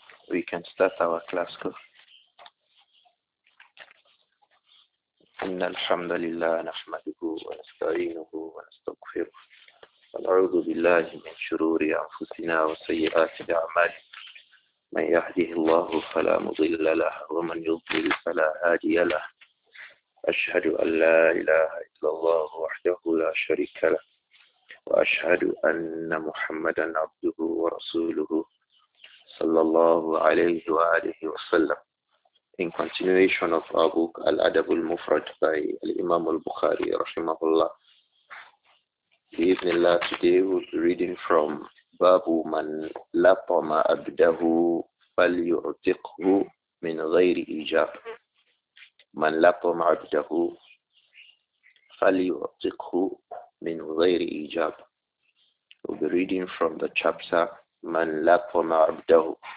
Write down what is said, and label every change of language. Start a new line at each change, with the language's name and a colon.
English: We can start our class go.
Arabic: إن الحمد لله نحمده ونستعينه ونستغفره ونعوذ بالله من شرور أنفسنا وسيئات أعمالنا. من يهده الله فلا مضل له ومن يضلل فلا هادي له. أشهد أن لا إله إلا الله وحده لا شريك له وأشهد أن محمدا عبده ورسوله صلى الله عليه وآله وسلم.
English: In continuation of our book Al-Adab al-Mufrad by Imam al-Bukhari
Arabic: رحمه الله. بإذن الله
English: today we'll be reading from
Arabic: باب من لطم عبده فليعتقه من غير إيجاب. من لطم عبده فليعتقه من غير إيجاب.
English: We'll be reading from the chapter
Arabic: من لطم عبده.